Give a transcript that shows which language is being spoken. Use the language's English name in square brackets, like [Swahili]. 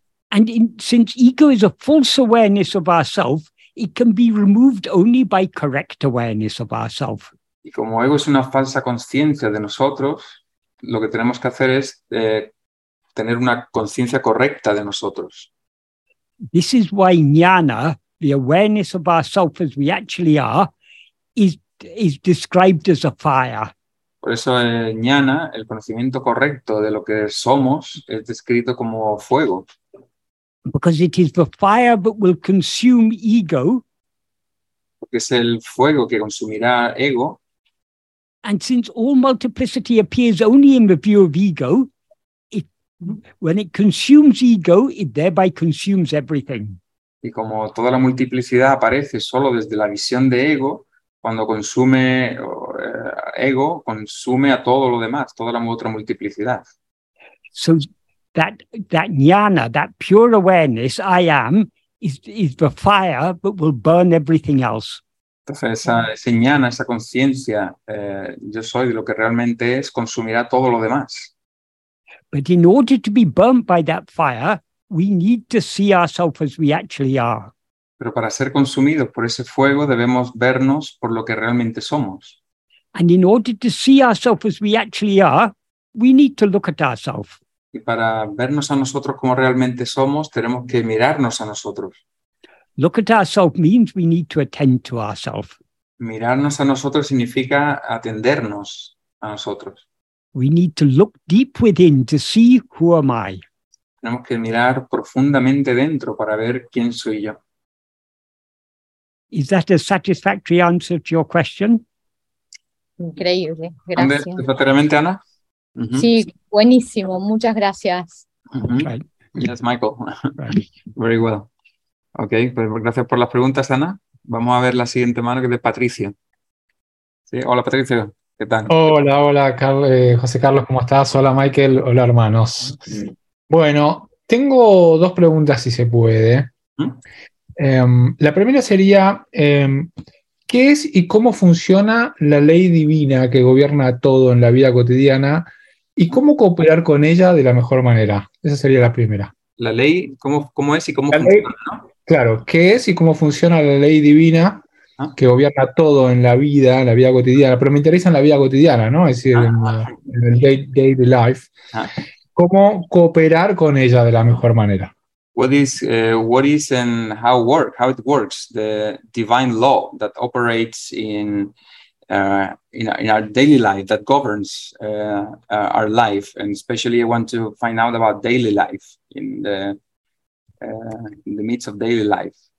[English] And since ego is a false awareness of ourself, it can be removed only by correct awareness of ourself. [Spanish] Y como ego es una falsa conciencia de nosotros, lo que tenemos que hacer es tener una conciencia correcta de nosotros. [English] This is why jnana, the awareness of ourself as we actually are, is described as a fire. [Spanish] Por eso jnana, el conocimiento correcto de lo que somos, es descrito como fuego. [English] Because it is the fire that will consume ego. [Spanish] Porque es el fuego que consumirá ego. [English] And since all multiplicity appears only in the view of ego, when it consumes ego, it thereby consumes everything. [Spanish] Y como toda la multiplicidad aparece solo desde la visión de ego, cuando consume ego, consume a todo lo demás, toda la otra multiplicidad. [English] So that jnana, that pure awareness, I am, is the fire that will burn everything else. [Spanish] Entonces, esa jnana, esa conciencia, yo soy lo que realmente es, consumirá todo lo demás. [English] But in order to be burnt by that fire, we need to see ourselves as we actually are. [Spanish] Pero para ser consumidos por ese fuego, debemos vernos por lo que realmente somos. [English] And in order to see ourselves as we actually are, we need to look at ourselves. [Spanish] Y para vernos a nosotros como realmente somos, tenemos que mirarnos a nosotros. [English] Look at ourselves means we need to attend to ourselves. [Spanish] Mirarnos a nosotros significa atendernos a nosotros. [English] We need to look deep within to see who am I. [Spanish] Tenemos que mirar profundamente dentro para ver quién soy yo. [English] Is that a satisfactory answer to your question? [Spanish] Increíble, gracias. ¿Satisfactoriamente, Ana? Uh-huh. Sí, buenísimo, muchas gracias. [English] Uh-huh. Right. Yes, Michael. Right. Very well. Ok, [Spanish] pues gracias por las preguntas, Ana. Vamos a ver la siguiente mano, que es de Patricio. Sí, hola, Patricio. ¿Qué tal? Hola, hola, José Carlos, ¿cómo estás? Hola, Michael. Hola, hermanos. Bueno, tengo dos preguntas, si se puede. La primera sería, ¿qué es y cómo funciona la ley divina que gobierna todo en la vida cotidiana y cómo cooperar con ella de la mejor manera? Esa sería la primera. ¿La ley? ¿Cómo es y cómo la funciona? ¿No? Claro, ¿qué es y cómo funciona la ley divina? ¿Ah? Que gobierna todo en la vida cotidiana, pero me interesa en la vida cotidiana, ¿no? Es decir, en el [English] daily life. [Spanish] ¿Cómo cooperar con ella de la mejor manera? [English] What is and how it works, the divine law that operates in our daily life, that governs our life, and especially I want to find out about daily life in the midst of daily life.